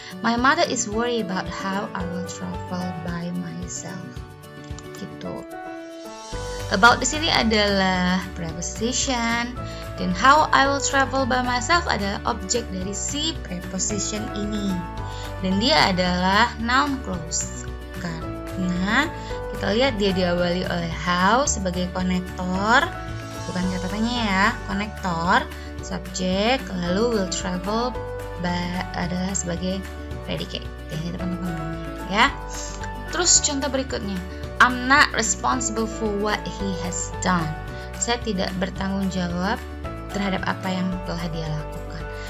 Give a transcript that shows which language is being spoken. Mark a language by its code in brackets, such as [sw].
[en] My mother is worried about how I will travel by myself. [id] Gitu. [en] About [id] di sini adalah [en] preposition. Then how I will travel by myself [id] adalah objek dari si [en] preposition [id] ini. Dan dia adalah noun clause. Karena kita lihat dia diawali oleh how sebagai konektor. Bukan kata tanya ya, konektor. Subjek, lalu will travel adalah sebagai predicate. Jadi teman-teman ya. Terus contoh berikutnya. [en] I'm not responsible for what he has done. [id] Saya tidak bertanggung jawab terhadap apa yang telah dia lakukan.